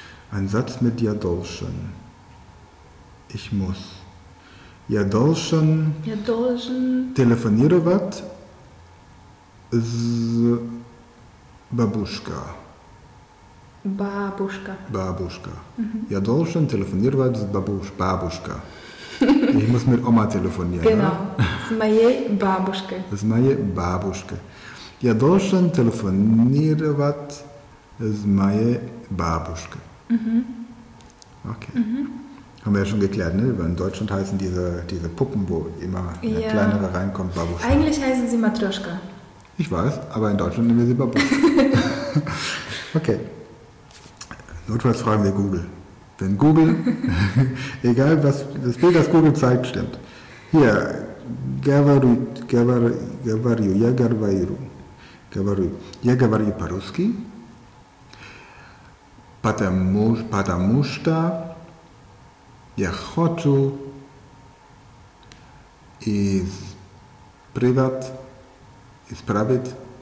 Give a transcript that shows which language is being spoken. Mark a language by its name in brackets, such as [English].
[German] Ein Satz mit [Russian] Я должен. [German] Ich muss. [Russian] Я должен. Я должен. Телефонировать с бабушка. Бабушка. Бабушка. Я должен телефонировать с бабушка. [German] Ich muss mit Oma telefonieren. Genau. Das ist meine Babuschke. Das ist meine Babuschke. [Russian] Я должен телефонировать с моей бабушкой. Mhm. [German] Okay. Mhm. Haben wir ja schon geklärt, ne? In Deutschland heißen diese Puppen, wo immer eine ja. kleinere reinkommt, Babuschke. Eigentlich heißen sie Matroschka. Ich weiß, aber in Deutschland nennen wir sie Babuschke. Okay. Notfalls fragen wir Google. Wenn Google, egal was das Bild, das Google zeigt, stimmt. Hier, [Russian] я говорю по-русски, потому что я хочу исправить